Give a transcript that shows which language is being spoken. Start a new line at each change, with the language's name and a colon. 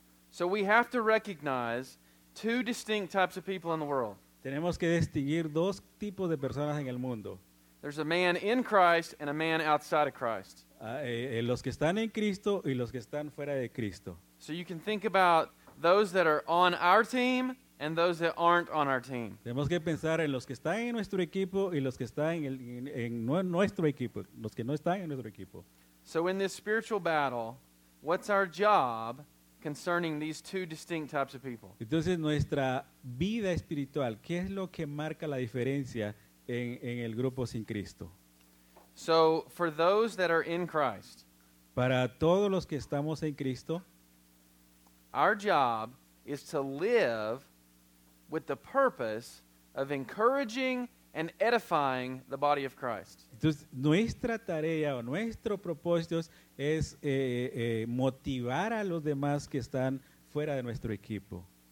English: So we have to recognize two distinct types of people in the world.
Spanish: Tenemos que distinguir dos tipos de personas en el mundo.
English: There's a man in Christ and a man outside of Christ.
Spanish: Los que están en Cristo y los que están fuera de Cristo.
English: So you can think about those that are on our team and those that aren't on our team.
Spanish: Tenemos que pensar en los que están en nuestro equipo y los que están en nuestro equipo, los que no están en nuestro equipo.
English: So in this spiritual battle, what's our job concerning these two distinct types of people?
Spanish: Entonces nuestra vida espiritual, ¿qué es lo que marca la diferencia en el grupo sin Cristo?
English: So for those that are in Christ,
Spanish: para todos los que estamos en Cristo,
English: our job is to live with the purpose of encouraging and edifying the body of Christ.
Spanish: Entonces, nuestra tarea o nuestro propósito es motivar a los demás que están fuera de nuestro equipo.